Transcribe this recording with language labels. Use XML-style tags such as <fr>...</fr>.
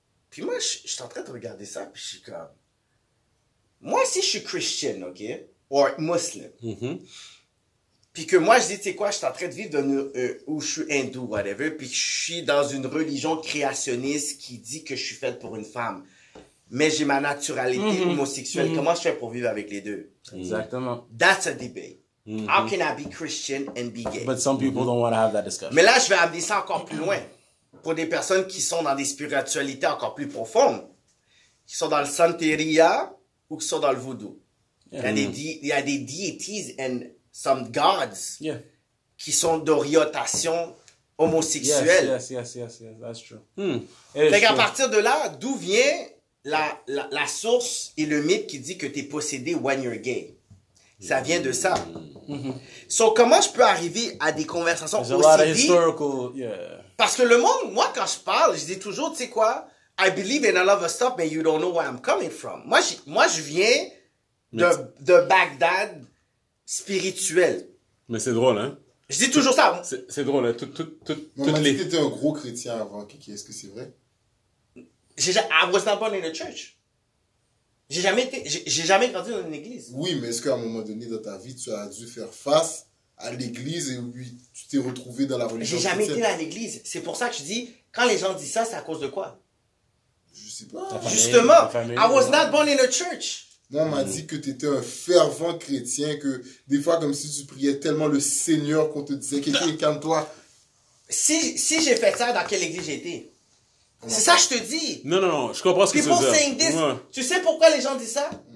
<fr>Puis moi, je suis en train de regarder ça, puis je suis comme... Moi, si je suis Christian, OK, or Muslim, puis que moi, je dis, tu sais quoi, je suis en train de vivre dans une, où je suis hindou, whatever, puis je suis dans une religion créationniste qui dit que je suis faite pour une femme. Mais j'ai ma naturalité homosexuelle. Comment je fais pour vivre avec les deux? Exactement.</fr> <en>That's a debate. How can I be Christian and be gay? But some people don't want to have that discussion.</en> <fr>Mais là, je vais amener ça encore plus loin. Pour des personnes qui sont dans des spiritualités encore plus profondes. Qui sont dans le Santeria ou qui sont dans le voodoo. Il y a des</fr> <en>deities and some gods</en> <fr>qui sont d'orientation homosexuelle.</fr> <en>Yes, that's true.</en> <fr>Fait qu'à partir de là, d'où vient... La source et le mythe qui dit que tu es possédé</fr> <en>when you're gay.</en> <fr>Ça vient de ça. So, comment je peux arriver à des conversations aussi deep? Parce que le monde, moi, quand je parle, je dis toujours, tu sais quoi?</fr> <en>I believe in a lot of stuff, but you don't know where I'm coming from.</en> <fr>Moi, je viens de Bagdad spirituel. Mais c'est drôle, hein? Je dis toujours ça. C'est drôle, hein? Tu étais un gros chrétien avant, Kiki. Est-ce que c'est vrai?</fr> <en>I was not born in a church.</en> <fr>J'ai jamais grandi dans une église. Oui, mais est-ce qu'à un moment donné dans ta vie, tu as dû faire face à l'église et oui, tu t'es retrouvé dans la religion? J'ai jamais été dans l'église. C'est pour ça que je dis, quand les gens disent ça, c'est à cause de quoi? Je sais pas.</fr> <en>Justement, I was not born in a church.</en> <fr>Moi, on m'a dit que tu étais un fervent chrétien, que des fois, comme si tu priais tellement le Seigneur qu'on te disait, quelqu'un, calme-toi. Si j'ai fait ça, dans quelle église j'ai été? C'est ça que je te dis. Non, je comprends ce que tu veux dire.</fr> <en>People saying this,</en> <fr>tu sais pourquoi les gens disent ça?</fr>